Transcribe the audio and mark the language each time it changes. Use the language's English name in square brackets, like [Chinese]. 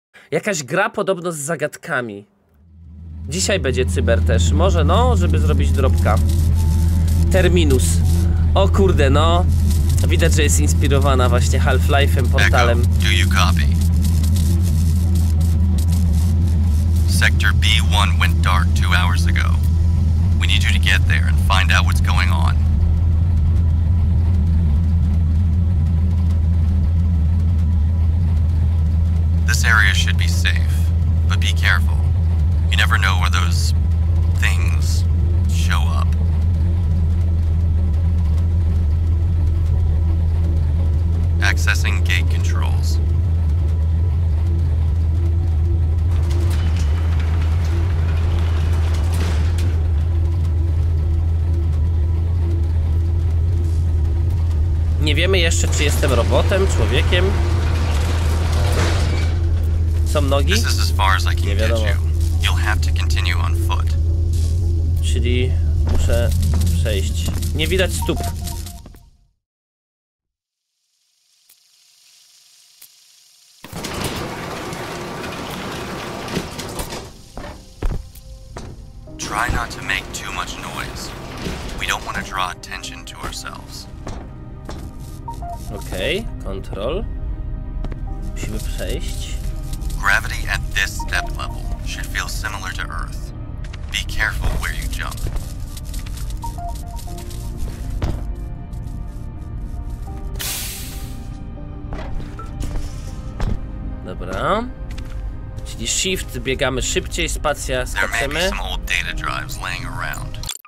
[Polish] Jakaś gra podobno z zagadkami. Dzisiaj będzie cyber też. Może no, żeby zrobić dropka. Terminus. O kurde, no. Widać, że jest inspirowana właśnie Half-Life'em, Portalem. [English] Echo, do you copy? Sector B1 went dark 2 hours ago. We need you to get there and find out what's going on. This area should be safe, but be careful. You never know where those things show up. Accessing gate controls. [Polish] Nie wiemy jeszcze, czy jestem robotem, człowiekiem. Są nogi? [English] This is as far as I can get you. You'll have to continue on foot. [Polish] Czyli muszę przejść. Nie widać stóp. [English] Try not to make too much noise. We don't want to draw attention to ourselves. [Polish] Okej, control. Musimy przejść. [English] Gravity at this depth level should feel similar to Earth. Be careful where you jump. [Polish] Dobra. Czyli shift, biegamy szybciej, spacja, skaczemy. [English] There may be some old data drives laying around.